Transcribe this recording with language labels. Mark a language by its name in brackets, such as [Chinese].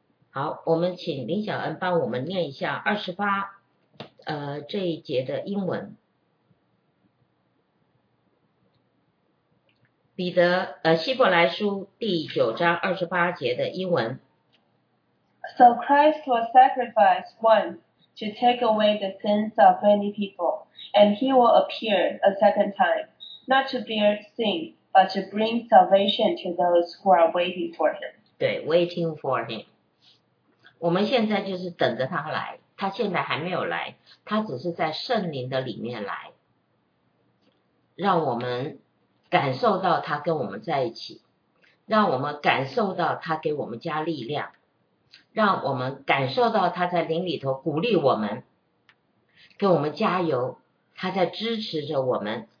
[Chinese] 好，我们请林小恩帮我们念一下二十八这一节的英文。彼得希伯来书第九章二十八节的英文。 [English] So Christ was sacrificed once to take away the sins of many people, and he will appear a second time, not to bear sin, but to bring salvation to those who are waiting for him. [Chinese] 对 , [English] waiting for him. [Chinese] 我们现在就是等着他来，他现在还没有来，他只是在圣灵的里面来，让我们感受到他跟我们在一起，让我们感受到他给我们加力量，让我们感受到他在灵里头鼓励我们，给我们加油，他在支持着我们。